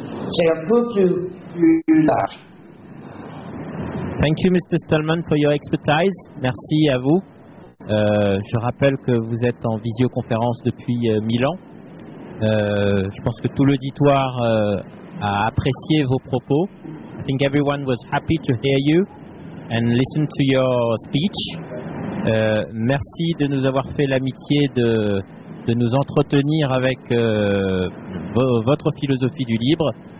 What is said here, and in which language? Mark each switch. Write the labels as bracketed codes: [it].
[fr] C'est un peu plus large. [en] Thank you, Mr. Stallman, for your expertise. [fr] Merci à vous. Je rappelle que vous êtes en visioconférence depuis Milan. Je pense que tout l'auditoire a apprécié vos propos. [en] I think everyone was happy to hear you and listen to your speech. [fr] Merci de nous avoir fait l'amitié de nous entretenir avec votre philosophie du libre.